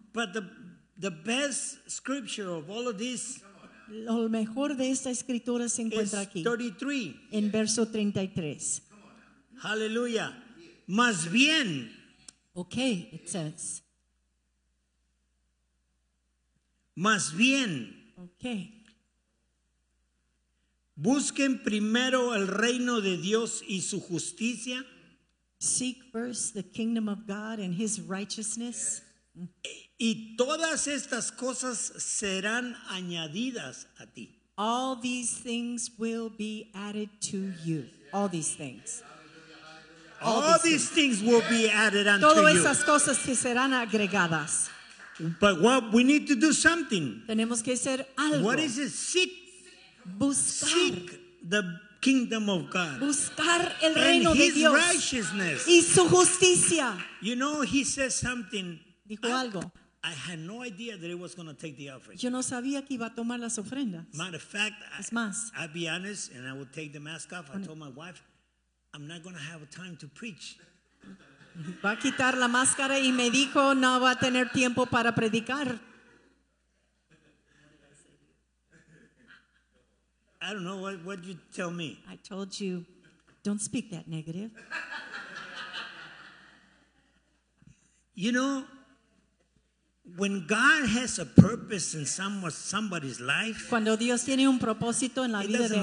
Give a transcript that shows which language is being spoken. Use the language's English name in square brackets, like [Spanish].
[English] But the best scripture of all of this, [Spanish] lo mejor de esta escritura se encuentra aquí, [English] 33. [Spanish] En verso 33. Hallelujah. Más bien. [English] Okay, it says. [Spanish] Más bien. [English] Okay. [Spanish] Busquen primero el reino de Dios y su justicia. [English] Seek first the kingdom of God and his righteousness. [Spanish] Y todas estas cosas serán añadidas a ti. [English] All these things will be added to you. All these things. All these things will be added unto [Spanish] you. Todas esas cosas que serán agregadas. [English] But what we need to do something. [Spanish] Tenemos que hacer algo. [English] What is it? Seek. [Spanish] Buscar. [English] Seek the kingdom of God. [Spanish] Buscar el [English] and [Spanish] reino [English] his [Spanish] de Dios. [English] Righteousness. [Spanish] Y su justicia. [English] You know, he says something. [Spanish] Dijo algo. [English] I had no idea that it was going to take the offering. [Spanish] Yo no sabía que iba a tomar las ofrendas. [English] Matter of fact, [Spanish] es más, [English] I'll be honest and I will take the mask off. I told my wife, I'm not going to have time to preach. [Spanish] Va a quitar la máscara y me dijo no va a tener tiempo para predicar. [English] I don't know what you tell me. I told you, don't speak that negative. You know, when God has a purpose in somebody's life, [Spanish] cuando Dios tiene un propósito en la vida de alguien,